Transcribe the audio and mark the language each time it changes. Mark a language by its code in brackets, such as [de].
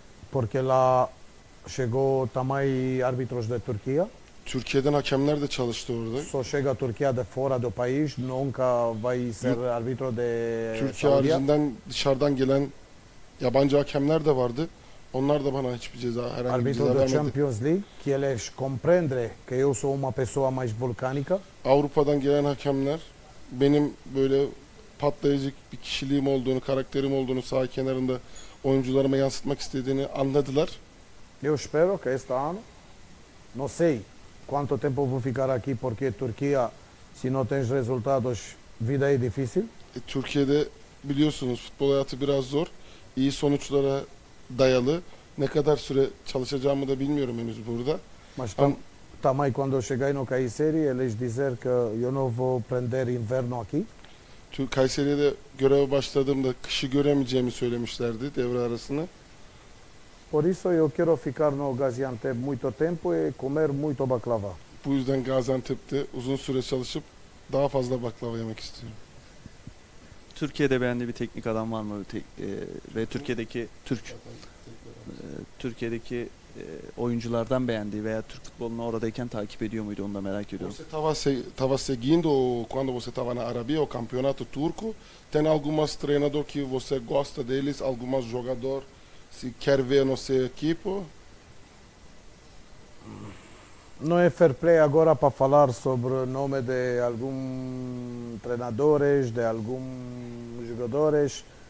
[pt] Porque lá chegou também árbitros de Turquia. [tr] Türkiye'den hakemler de çalıştı orada. [pt] So chega Turquia de fora do país, nunca vai ser árbitro de Saudi. [tr] Türkiye haricinden dışarıdan gelen yabancı hakemler de vardı. Onlar da bana hiçbir ceza herhangi bir ceza vermedi. [pt] Arbitro de Champions League, que eles compreendem que eu sou uma pessoa mais vulcânica. [tr] Avrupa'dan gelen hakemler benim böyle patlayıcı bir kişiliğim olduğunu, karakterim olduğunu sağ kenarında oyuncularıma yansıtmak istediğini anladılar. [pt] Eu espero que este ano, não sei quanto tempo vou ficar aqui porque Turquia, se não tens resultados, vida é difícil. [tr] Türkiye'de biliyorsunuz futbol hayatı biraz zor. İyi sonuçlara dayalı. Ne kadar süre çalışacağımı da bilmiyorum henüz burada. [pt] Mas tamay quando cheguei no Kayseri, eles dizer que eu não vou prender inverno aqui. [tr] Kayseri'de göreve başladığımda kışı göremeyeceğimi söylemişlerdi devre arasında. [pt] Por isso eu quero ficar no Gaziantep muito tempo e comer muito baklava. [tr] Bu yüzden Gaziantep'te uzun süre çalışıp daha fazla baklava yemek istiyorum. Türkiye'de beğendiği bir teknik adam var mı? Ve Türkiye'deki Türk. Türkiye'deki oyunculardan beğendiği veya Türk futbolunu oradayken takip ediyor muydu? Onu da merak ediyorum. [pt] Você estava seguindo quando você estava na Arábia o campeonato turco? Tem algumas treinador que você gosta deles, algumas jogador se quer ver no seu equipo? Não é fair play agora para falar sobre o nome de algum treinadores, de algum jogadores.